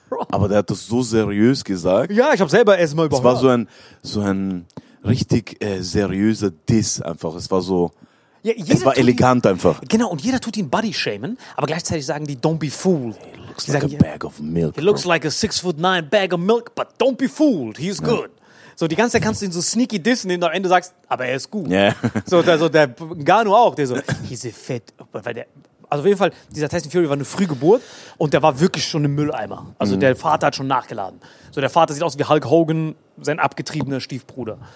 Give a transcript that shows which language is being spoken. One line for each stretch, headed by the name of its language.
German: Aber der hat das so seriös gesagt. Ja, ich habe selber erstmal überhört. Es war so ein richtig seriöser Diss einfach. Es war so, ja, es war elegant ihn, einfach. Genau, und jeder tut ihn Body shamen, aber gleichzeitig sagen die,
English: don't be fooled. He looks like a bag of milk. He looks like a 6'9" bag of milk, but don't be fooled, he's good.
German: So, die ganze Zeit kannst du ihn so sneaky dissen, indem du am Ende sagst, aber er ist gut.
English: Yeah.
German: So, also der Ngannou auch, der so,
English: he's a fat,
German: weil der... Also auf jeden Fall, dieser Tyson Fury war eine Frühgeburt und der war wirklich schon im Mülleimer. Also der Vater hat schon nachgeladen. So, der Vater sieht aus wie Hulk Hogan, sein abgetriebener Stiefbruder.